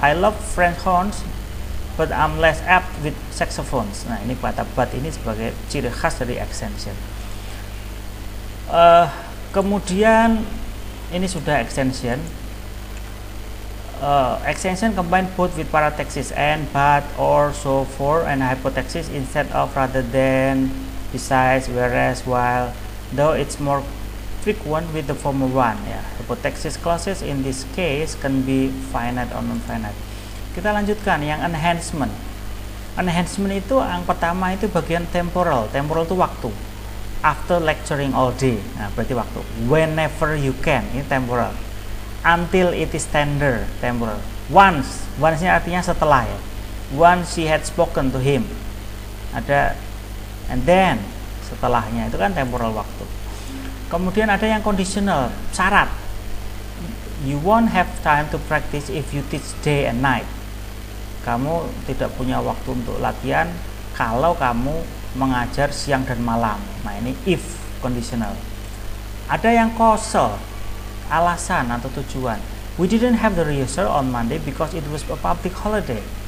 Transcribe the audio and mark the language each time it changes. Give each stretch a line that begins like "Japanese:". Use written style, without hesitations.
English: I love French horns but I'm less apt with saxophones.
Indonesian: Nah, ini kata but ini sebagai ciri khas dari extension. Kemudian ini sudah extension.
English: Extension combined both with parataxis and but or so for and hypotaxis instead of rather than besides whereas while though it's more frequent with the former one ya. Hypotaxis clauses in this case can be finite or non-finite.
Indonesian: Kita lanjutkan yang enhancement. Enhancement itu yang pertama itu bagian temporal. Temporal itu waktu.
English: After lecturing all day.
Indonesian: Nah, berarti waktu.
English: Whenever you can, ini temporal. Until it is tender, temporal. Once
Indonesian: ini artinya setelah ya.
English: Once she had spoken to him.
Indonesian: Ada and then setelahnya itu kan temporal waktu. Kemudian ada yang conditional, syarat.
English: You won't have time to practice if you teach day and night.
Indonesian: Kamu tidak punya waktu untuk latihan kalau kamu mengajar siang dan malam. Nah, ini if conditional. Ada yang causal, alasan atau tujuan.
English: We didn't have the rehearsal on Monday because it was a public holiday.